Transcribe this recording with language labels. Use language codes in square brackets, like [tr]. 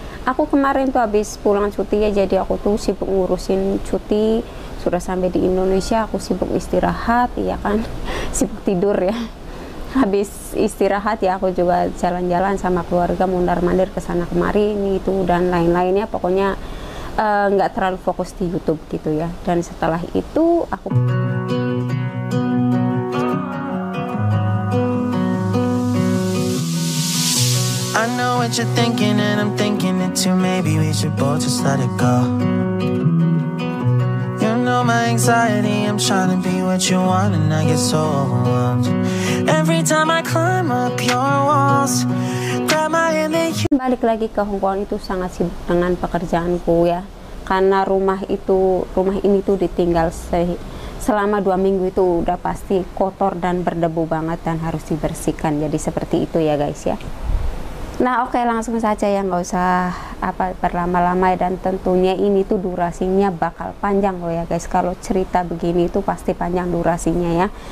[id] Aku kemarin tuh habis pulang cuti ya, jadi aku tuh sibuk ngurusin cuti. Sudah sampai di Indonesia aku sibuk istirahat ya kan, sibuk tidur ya. Habis istirahat ya aku juga jalan-jalan sama keluarga, mondar-mandir ke sana kemari itu dan lain-lainnya, pokoknya nggak terlalu fokus di YouTube gitu ya. [en] Dan setelah itu aku I know what you're thinking and I'm thinking it too, maybe we should both just let it go. You know my anxiety, I'm trying to be what you want and I get so overwhelmed. Every time I climb up your walls, grab my hand and you... [id] Balik lagi ke Hong Kong itu sangat sibuk dengan pekerjaanku ya, karena rumah ini tuh ditinggal selama 2 minggu itu udah pasti kotor dan berdebu banget dan harus dibersihkan. Jadi seperti itu ya guys ya. Nah oke, langsung saja ya, nggak usah apa berlama-lama ya. Dan tentunya ini tuh durasinya bakal panjang loh ya guys, kalau cerita begini itu pasti panjang durasinya ya.